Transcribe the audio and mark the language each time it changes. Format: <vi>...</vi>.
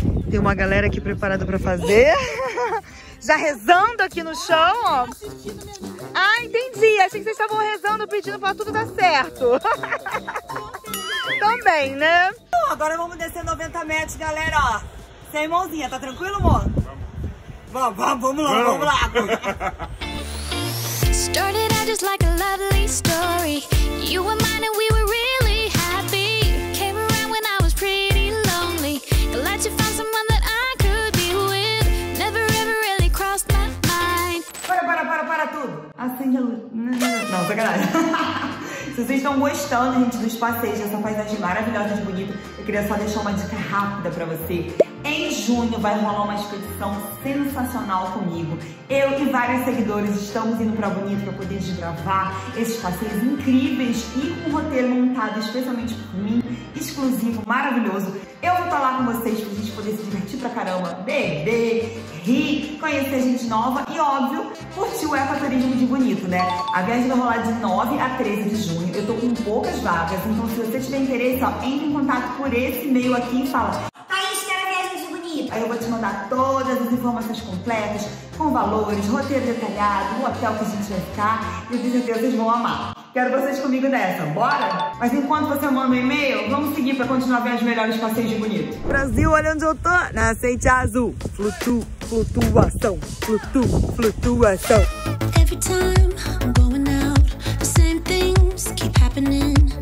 <pt>Tem uma galera aqui preparada pra fazer. Já rezando aqui no chão, ó. Ah, entendi, achei que vocês estavam rezando, pedindo pra tudo dar certo. Também, né? Agora vamos descer 90 metros, galera, ó. Sem mãozinha, tá tranquilo, amor? Vamos lá.</pt> <en>Started out just like a lovely story. You were mine and we were really happy. Came around when I was pretty lonely. Glad you found someone that I could be with. Never ever really crossed my mind.</en> <pt>Para tudo. Não, sacanagem. Se vocês estão gostando, gente, dos passeios, dessa paisagem maravilhosa de bonito, eu queria só deixar uma dica rápida pra você. Em junho vai rolar uma expedição sensacional comigo. Eu e vários seguidores estamos indo pra Bonito pra poder gravar esses passeios incríveis e com um roteiro montado especialmente por mim, exclusivo, maravilhoso. Eu vou estar lá com vocês pra gente poder se divertir pra caramba, beber, rir, conhecer gente nova e, óbvio, curtir o ecoturismo de Bonito, né? A viagem vai rolar de 9 a 13 de junho. Eu tô com poucas vagas, então se você tiver interesse, ó, entre em contato por esse e-mail aqui e fala: aí eu vou te mandar todas as informações completas, com valores, roteiro detalhado, o hotel que a gente vai ficar. E eu tenho certeza que vocês vão amar. Quero vocês comigo nessa, bora? Mas enquanto você manda o e-mail, vamos seguir pra continuar vendo os melhores passeios de Bonito. Brasil, olha onde eu tô, nascente azul. Flutuação.</pt> <en>Every time I'm going out, the same things keep happening.</en>